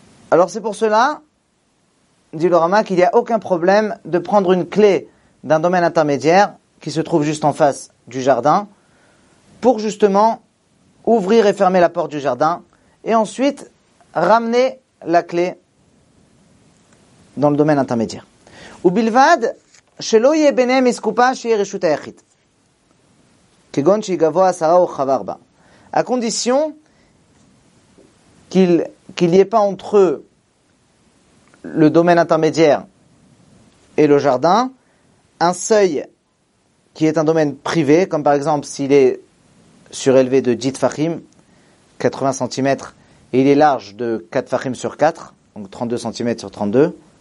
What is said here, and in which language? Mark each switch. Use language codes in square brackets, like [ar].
[fr] Alors c'est pour cela, dit le Rama, qu'il n'y a aucun problème de prendre une clé d'un domaine intermédiaire qui se trouve juste en face du jardin pour justement ouvrir et fermer la porte du jardin et ensuite ramener la clé dans le domaine intermédiaire. [he] ובלבד שלא יהיה ביניהם מסקופה שיהיה רשות היחיד. כגון שהיא גבוה עשרה או חווה ארבע. [fr] הקונדיסיון, qu'il n'y ait pas entre eux le domaine intermédiaire et le jardin, un seuil qui est un domaine privé, comme par exemple s'il est surélevé de 10 fachim, 80 cm, et il est large de 4 fachim sur 4, donc 32 cm sur 32,